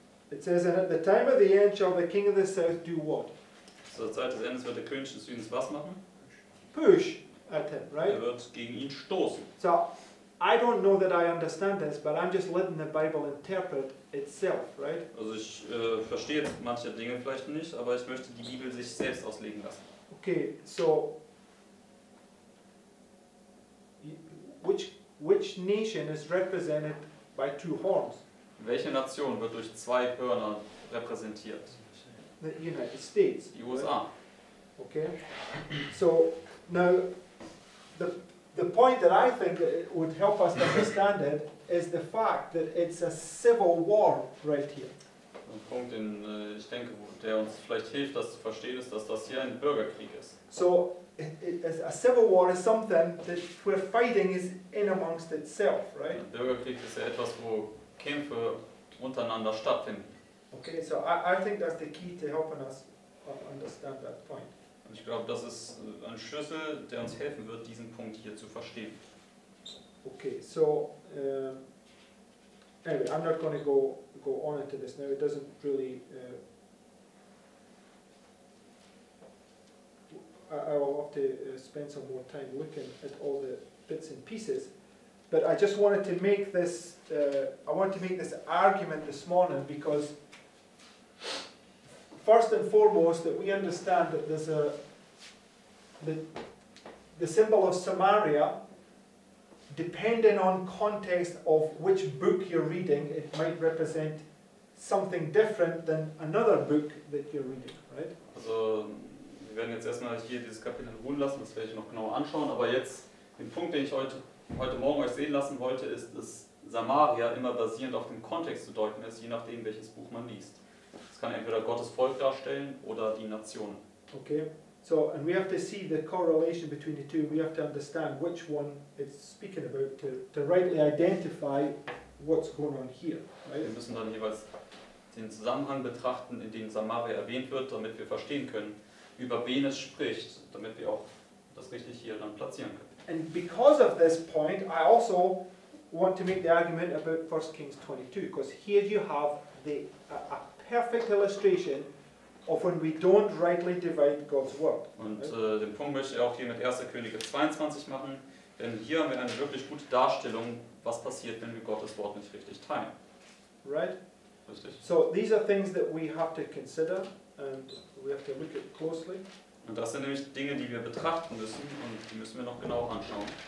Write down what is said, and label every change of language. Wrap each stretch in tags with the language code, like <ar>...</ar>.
<en>It says, And at the time of the end shall the king of the south do what?</en> <de>So, zur Zeit des Endes wird der König des Südens was machen?</de> <en>Push at him, right?</en> <de>Er wird gegen ihn stoßen.</de> <en>So, I don't know that I understand this, but I'm just letting the Bible interpret itself, right?</en> <de>Also, ich verstehe jetzt manche Dinge vielleicht nicht, aber ich möchte die Bibel sich selbst auslegen lassen.</de> <en>Okay, so, which nation is represented by two horns?</en> <de>Welche Nation wird durch zwei Hörner repräsentiert?</de> <en>The United States.</en> <de>Die USA.</de> <en>Okay. So, now, the point that I think would help us understand it is the fact that it's a civil war right here.</en> <de>ein Punkt, den ich denke, der uns vielleicht hilft, das zu verstehen, ist, dass das hier ein Bürgerkrieg ist.</de> <en>So, a civil war is something that we're fighting is in amongst itself, right?</en> <de>Ein Bürgerkrieg ist ja etwas, wo Kämpfe untereinander stattfinden.</de> <en>Okay, so I think that's the key to helping us understand that point.</en> <de>Und ich glaube, das ist ein Schlüssel, der uns helfen wird, diesen Punkt hier zu verstehen.</de> <en>Okay, so anyway, I'm not going to go on into this now. It doesn't really. I will have to spend some more time looking at all the bits and pieces, but I just wanted to make this. I want to make this argument this morning because, first and foremost, that we understand that there's the symbol of Samaria. Depending on context of which book you're reading, it might represent something different than another book that you're reading, right?</en> <de>Also, wir werden jetzt erstmal hier dieses Kapitel ruhen lassen, das werde ich noch genauer anschauen, aber jetzt, den Punkt, den ich heute Morgen euch sehen lassen wollte, ist, dass Samaria immer basierend auf dem Kontext zu deuten ist, je nachdem, welches Buch man liest. Das kann entweder Gottes Volk darstellen oder die Nation.</de> <en>Okay. So, and we have to see the correlation between the two. We have to understand which one it's speaking about to rightly identify what's going on here. Right?</en> <de>Wir müssen dann jeweils den Zusammenhang betrachten, in dem Samaria erwähnt wird, damit wir verstehen können, über wen es spricht, damit wir auch das richtig hier dann platzieren können.</de> <en>And because of this point, I also want to make the argument about 1 Kings 22, because here you have a perfect illustration of when we don't rightly divide God's word.</en> <de>Und den Punkt möchte ich auch hier mit 1. Könige 22 machen, denn hier haben wir eine wirklich gute Darstellung, was passiert, wenn wir Gottes Wort nicht richtig teilen.</de> <en>Right?</en> <de>Richtig.</de> <en>So these are things that we have to consider and we have to look at closely.</en> <de>Und das sind nämlich Dinge, die wir betrachten müssen und die müssen wir noch genau anschauen.</de>